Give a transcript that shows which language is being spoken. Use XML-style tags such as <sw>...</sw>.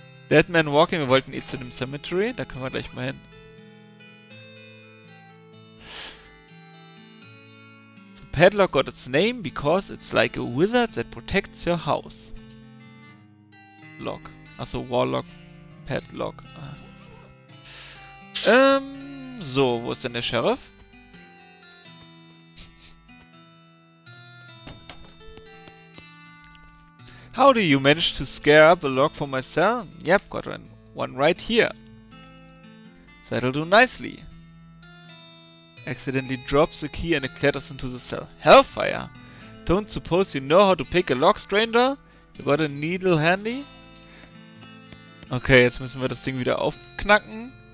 <de>Dead Man Walking, wir wollten eh zu dem Cemetery, da können wir gleich mal hin.</de> <en>The padlock got its name because it's like a wizard that protects your house.</en> <de>Lock. Achso, Warlock, Padlock. Ah. So, wo ist denn der Sheriff?</de> <en>How do you manage to scare up a lock for my cell? Yep, got one right here. That'll do nicely. Accidentally drops the key and it clatters into the cell. Hellfire! Don't suppose you know how to pick a lock, stranger? You got a needle handy?</en> <de>Okay, jetzt müssen wir das Ding wieder aufknacken.</de>